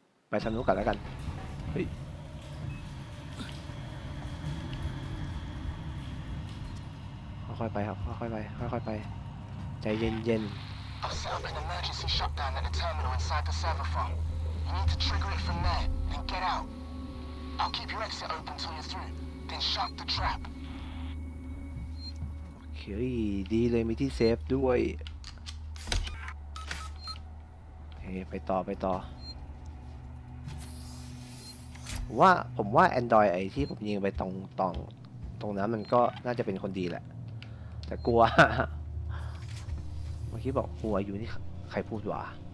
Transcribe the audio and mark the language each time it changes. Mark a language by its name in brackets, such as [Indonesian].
[Thai] ไปสนุกกันแล้วกันเฮ้ยค่อยไปครับค่อยไปใจเย็นๆ [English] I've set up an emergency shutdown at the terminal inside the server farm. You need to trigger it from there, then get out. I'll keep your exit open till you're through, then shut the trap. Okay, [Thai] ดีเลยมีที่เซฟด้วยเฮ้ไปต่อว่าผมว่า Android ไอ้ที่ผมยิงไปตรงนั้นมันก็น่าจะเป็นคนดีแหละแต่กลัวเมื่อกี้บอกกลัวอยู่นี่ใครพูดวะ